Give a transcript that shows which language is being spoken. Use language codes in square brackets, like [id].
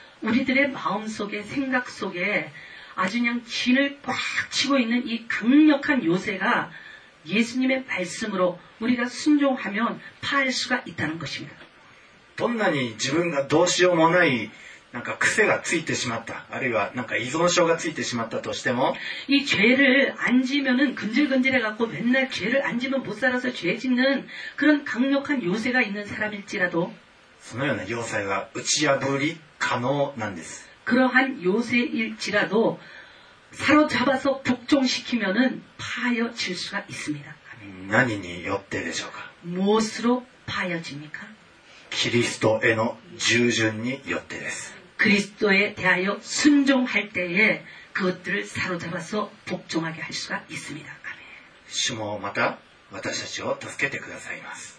[ko] 우리들의마음속에생각속에아주냥진을꽉치고있는이강력한요새가예수님의말씀으로우리가순종하면파할수가있다는것입니다 [ja] どんなに自分がどうしようもないなんか癖がついてしまったあるいはなんか依存症がついてしまったとしても [ko] 이죄를앉으면은근질근질해갖고맨날죄를앉으면못살아서죄짓는그런강력한요새가있는사람일지라도 [ja] そのような要塞は打ち破り可能なんです [ko] 그러한요새일지라도사로잡아서복종시키면은파여질수가있습니다 [ja] 何によってでしょうか [ko] 무엇으로파여집니까 [ja] キリストへの従順によってです。 [ko] 그리스도에대하여순종할때에그것들을사로잡아서복종하게할수가있습니다아멘 [ja] 주모また私たちを助けてくださいます